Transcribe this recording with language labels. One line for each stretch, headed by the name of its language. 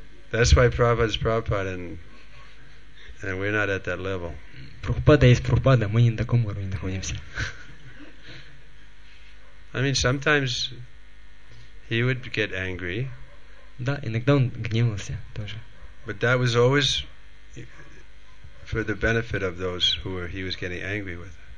English: That's why Prabhupada is Prabhupada, and we're not at that level.
Russian: Прабхупада есть Прабхупада, мы не на таком уровне находимся.
English: I mean, sometimes he would get angry.
Russian: Да, иногда он гневался тоже.
English: But that was always for the benefit of those who he was getting angry with.